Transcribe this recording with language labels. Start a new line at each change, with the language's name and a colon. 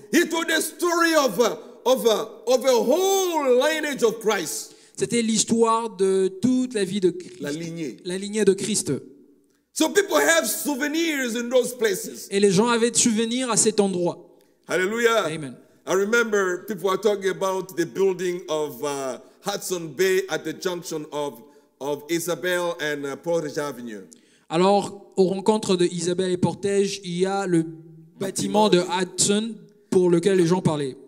English: It was the story of a whole lineage of Christ.
French: C'était l'histoire de toute la vie de Christ. La lignée de Christ.
English: So people have souvenirs in those places.
French: Et les gens avaient des souvenirs à cet endroit.
English: Hallelujah. Amen. I remember people were talking about the building of Hudson Bay at the junction of Isabel and Portage Avenue.
French: Alors, aux rencontres de Isabel et Portage, il y a le bâtiment de Hudson pour lequel les gens parlaient.